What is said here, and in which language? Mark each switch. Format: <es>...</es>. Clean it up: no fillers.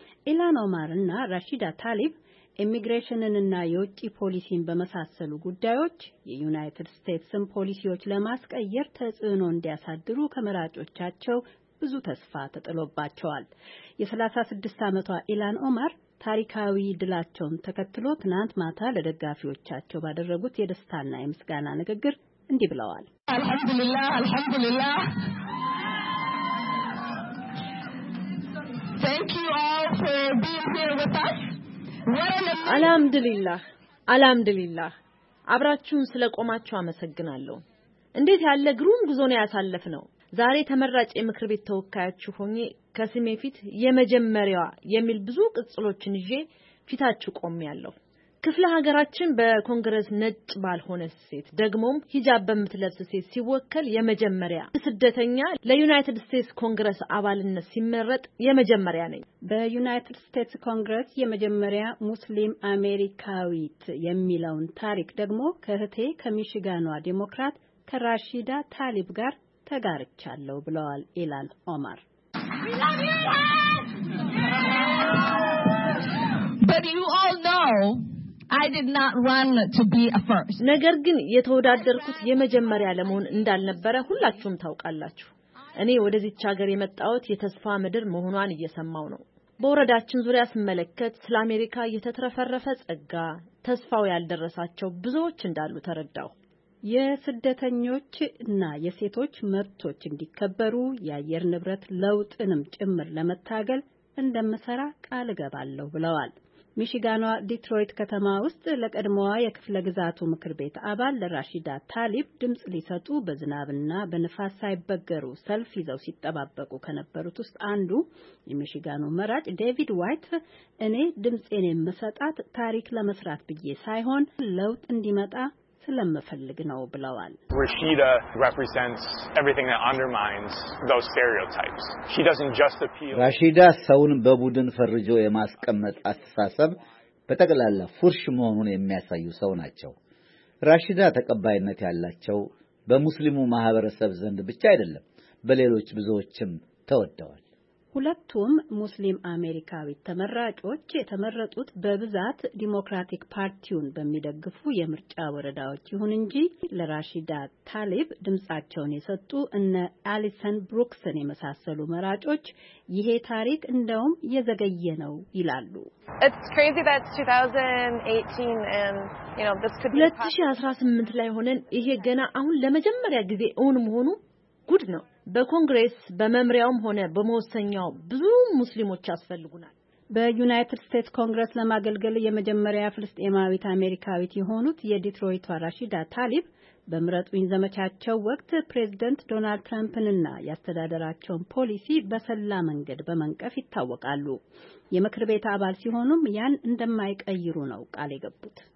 <am>ኢላን ኦማር እና ራሺዳ ታሊብ ኢሚግሬሽንንና የውጭ ፖሊሲን በመሳሰሉ ጉዳዮች የዩናይትድ ስቴትስን ፖሊሲዎች ለማስቀየር ተጽዕኖ እንዲያሳድሩ ከመራጮቻቸው ብዙ ተስፋ ተጥሎባቸዋል። የ36 ዓመቷ ኢላን ኦማር ታሪካዊ ድላቸውን ተከትሎ ትናንት ማታ ለደጋፊዎቻቸው ባደረጉት የደስታና የምስጋና ንግግር እንዲህ ብለዋል።</am> <ar>አልሐምዱሊላህ አልሐምዱሊላህ</ar> <en>Thank you all for being here with us.</en> <ar>አልሐምዱሊላህ አልሐምዱሊላህ</ar> <am>አብራችሁን ስለቆማችሁ አመሰግናለሁ። እንዴት ያለ ግሩም ጉዞ ነው ያሳለፍነው። ዛሬ ተመረጭ የምክር ቤት ተወካያችሁ ሆኜ ከስሜ ፊት የመጀመሪያዋ የሚል ብዙ ቅጽሎችን ይዤ ፊታችሁ ቆሜያለሁ። ክፍለ ሀገራችን በኮንግረስ ነጭ ባልሆነ ሴት ደግሞም ሂጃብ በምትለብስ ሴት ሲወከል የመጀመሪያ፣ ስደተኛ ለዩናይትድ ስቴትስ ኮንግረስ አባልነት ሲመረጥ የመጀመሪያ ነኝ። በዩናይትድ ስቴትስ ኮንግረስ የመጀመሪያ ሙስሊም አሜሪካዊት የሚለውን ታሪክ ደግሞ ከህቴ ከሚሽጋኗ ዴሞክራት ከራሺዳ ታሊብ ጋር ተጋርቻለሁ ብለዋል ኢላን ኦማር።</am> <en>I did not run to be a first.</en> <am>ነገር ግን የተወዳደርኩት የመጀመሪያ ለመሆን እንዳልነበረ ሁላችሁም ታውቃላችሁ። እኔ ወደዚህ ሀገር የመጣሁት የተስፋ ምድር መሆኗን እየሰማው ነው። በወረዳችን ዙሪያ ስመለከት ስለ አሜሪካ የተተረፈረፈ ጸጋ፣ ተስፋው ያልደረሳቸው ብዙዎች እንዳሉ ተረዳሁ። የስደተኞች እና የሴቶች መብቶች እንዲከበሩ የአየር ንብረት ለውጥንም ጭምር ለመታገል እንደምሰራ ቃል ገባለሁ ብለዋል። ሚሽጋኗ ዲትሮይት ከተማ ውስጥ ለቀድሞዋ የክፍለ ግዛቱ ምክር ቤት አባል ለራሺዳ ታሊብ ድምጽ ሊሰጡ በዝናብና በንፋስ ሳይበገሩ ሰልፍ ይዘው ሲጠባበቁ ከነበሩት ውስጥ አንዱ የሚሽጋኑ መራጭ ዴቪድ ዋይት እኔ ድምጼን የምሰጣት ታሪክ ለመስራት ብዬ ሳይሆን ለውጥ እንዲመጣ ስለምፈልግ ነው ብለዋል።</am> <en>Rashida represents everything that undermines those stereotypes. She doesn't just appeal.</en> <am>Rashida ሰውን በቡድን ፈርጆ የማስቀመጥ አስተሳሰብ በጠቅላላ ፉርሽ መሆኑን የሚያሳዩ ሰው ናቸው። Rashida ተቀባይነት ያላቸው በሙስሊሙ ማህበረሰብ ዘንድ ብቻ አይደለም፣ በሌሎች ብዙዎችም ተወደዋል። ሁለቱም ሙስሊም አሜሪካዊ ተመራጮች የተመረጡት በብዛት ዲሞክራቲክ ፓርቲውን በሚደግፉ የምርጫ ወረዳዎች ይሁን እንጂ ለራሺዳ ታሊብ ድምጻቸውን የሰጡ እነ አሊሰን ብሩክስን የመሳሰሉ መራጮች ይሄ ታሪክ እንደውም የዘገየ ነው ይላሉ።</am> <en>It's crazy that 2018 and you know this could be</en> <am>2018 ላይ ሆነን ይሄ ገና አሁን ለመጀመሪያ ጊዜ እውን መሆኑ ጉድ ነው። በኮንግረስ በመምሪያውም ሆነ በመወሰኛው ብዙ ሙስሊሞች አስፈልጉናል። በዩናይትድ ስቴትስ ኮንግረስ ለማገልገል የመጀመሪያ ፍልስጤማዊት አሜሪካዊት የሆኑት የዲትሮይቷ ራሺዳ ታሊብ በምረጡኝ ዘመቻቸው ወቅት ፕሬዝዳንት ዶናልድ ትራምፕንና ያስተዳደራቸውን ፖሊሲ በሰላ መንገድ በመንቀፍ ይታወቃሉ። የምክር ቤት አባል ሲሆኑም ያን እንደማይቀይሩ ነው ቃል የገቡት።</am>